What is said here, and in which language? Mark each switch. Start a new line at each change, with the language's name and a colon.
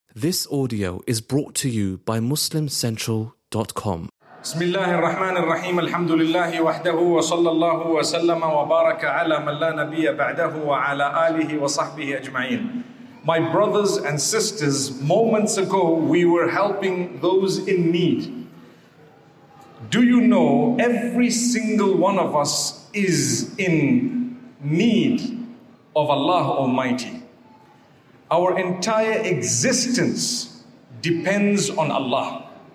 English: This audio is brought to you by MuslimCentral.com.
Arabic: بسم الله الرحمن الرحيم الحمد لله وحده وصلى الله وسلم وبارك على من لا نبي بعده وعلى آله وصحبه أجمعين.
English: My brothers and sisters, moments ago we were helping those in need. Do you know every single one of us is in need of Allah Almighty? Our entire existence depends on Allah.